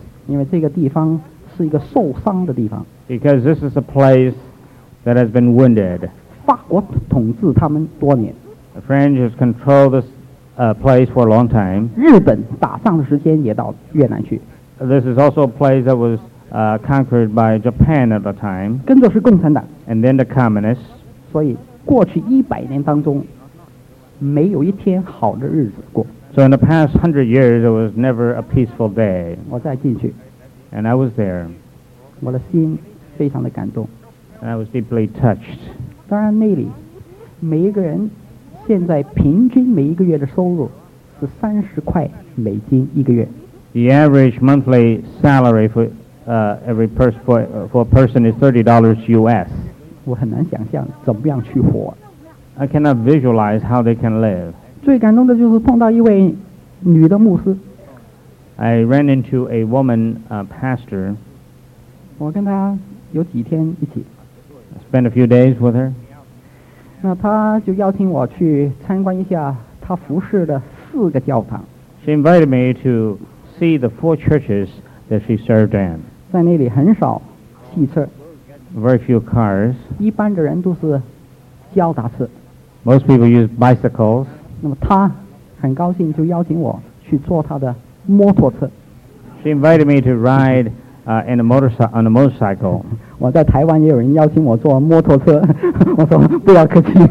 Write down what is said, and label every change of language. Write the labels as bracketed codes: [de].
[zh] 因为这个地方是一个受伤的地方。 [en] Because this is a place that has been wounded. [zh] 法国统治他们多年。 [en] The French has controlled this. Place for a long time. [zh] 日本打仗的时间也到越南去。 [en] This is also a place that was conquered by Japan at the time. [zh] 跟着是共产党。 [en] And then the communists. [zh] 所以过去一百年当中，没有一天好的日子过。 [en] So in the past 100 years, there was never a peaceful day. [zh] 我再进去。 [en] And I was there. [zh] 我的心非常的感动。 [en] And I was deeply touched. [zh] 当然那里每一个人。现在平均每一个月的收入是$30一个月。 [en] The average monthly salary for a person is $30. [zh] 我很难想象怎么样去活。 [en] I cannot visualize how they can live. [zh] 最感动的就是碰到一位女的牧师。 [en] I ran into a woman, pastor. [zh] 我跟她有几天一起。 [en] I spent a few days with her. [zh] 那他就邀请我去参观一下他服侍的四个教堂。 [en] She invited me to see the 4 churches that she served in. [zh] 在那里很少汽车。 [en] Very few cars. [zh] 一般的人都是脚踏车。 [en] Most people use bicycles. [zh] 那么他很高兴就邀请我去坐他的摩托车。 [en] She invited me to ride, on a motorcycle. [zh] 我在台湾也有人邀请我坐摩托车，我说不要客气。